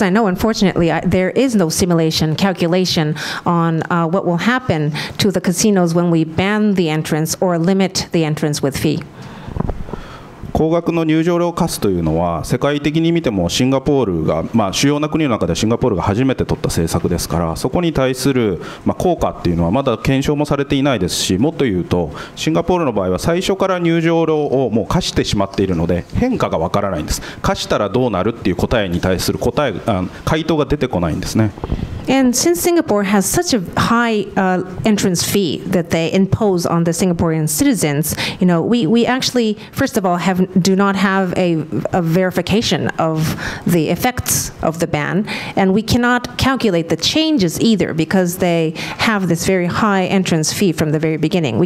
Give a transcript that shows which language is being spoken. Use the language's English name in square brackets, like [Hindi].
[English] I know, unfortunately, there is no simulation calculation on what will happen to the casinos when we ban the entrance or limit the entrance with fee. [Japanese] 高額の入場料を課すというのは世界的に見ても主要な国の中でシンガポールが初めて取った政策ですから、そこに対する効果っていうのはまだ検証もされていないですし、もっと言うとシンガポールの場合は最初から入場料をもう課してしまっているので変化がわからないんです。課したらどうなるっていう答えに対する回答が出てこないんですね。 [English] And since Singapore has such a high entrance fee that they impose on the Singaporean citizens, we actually, first of all, do not have a verification of the effects of the ban, and we cannot calculate the changes either because they have this very high entrance fee from the very beginning.